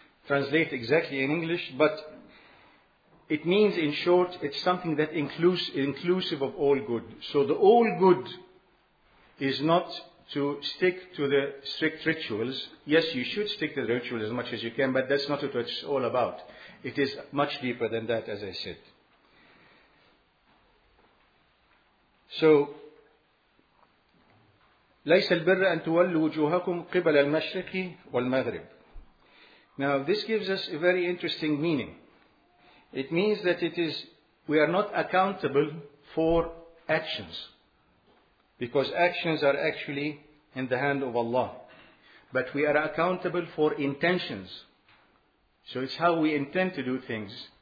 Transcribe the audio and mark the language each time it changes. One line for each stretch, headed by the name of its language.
English: translate exactly in English, but it means, in short, it's something that inclusive of all good. So the all good is not to stick to the strict rituals. Yes, you should stick to the rituals as much as you can, but that's not what it's all about. It is much deeper than that, as I said.
Arabic: So, ليس البر أن تولوا وجوهكم قبل المشرق والمغرب.
English: Now, this gives us a very interesting meaning. It means that we are not accountable for actions, because actions are actually in the hand of Allah. But we are accountable for intentions. So it's how we intend to do things.